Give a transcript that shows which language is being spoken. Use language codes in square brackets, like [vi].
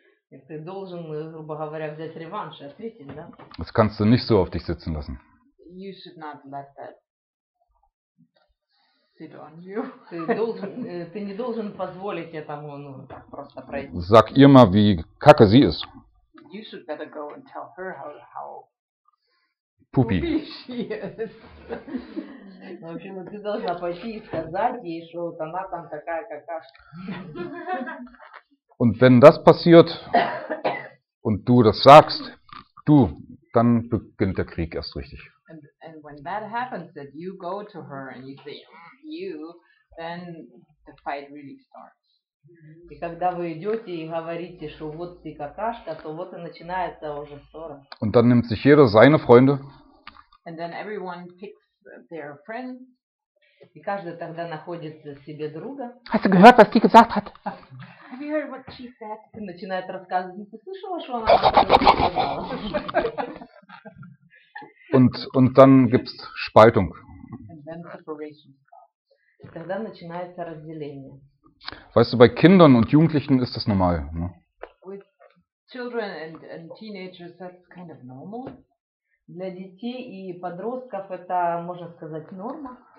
[ru] Ты должен, грубо говоря, взять реванш и ответить, да? [de] Das kannst du nicht so auf dich sitzen lassen. [en] You should not let that sit on you. [ru] Ты должен, ты не должен позволить этому, ну, просто пройти. [de] Sag ihr mal, wie kacke sie ist. [en] You should better go and tell her how poopy she is. [ru] В общем, ты должна пойти и сказать ей, что вот она там такая какашка. [de] Und wenn das passiert und du das sagst, du, dann beginnt der Krieg erst richtig. [en] And when that happens, that you go to her and you say you, then the fight really starts. [ru] И когда вы идете и говорите, что вот ты какашка, то вот и начинается уже ссора. [de] Und dann nimmt sich jeder seine Freunde. [en] And then everyone picks their friends. [ru] И каждый тогда находит себе друга. [de] Hast du gehört, was die gesagt hat? [en] Have you heard what she said? [ru] Ты начинает рассказывать. Ты слышала, что она [de] und dann gibt's Spaltung. [en] And then separation. [ru] Тогда начинается разделение. [de] Weißt du, bei Kindern und Jugendlichen ist das normal, ne? [en] With children and teenagers, that's kind of normal. [ru] Для детей и подростков это, можно сказать, норма.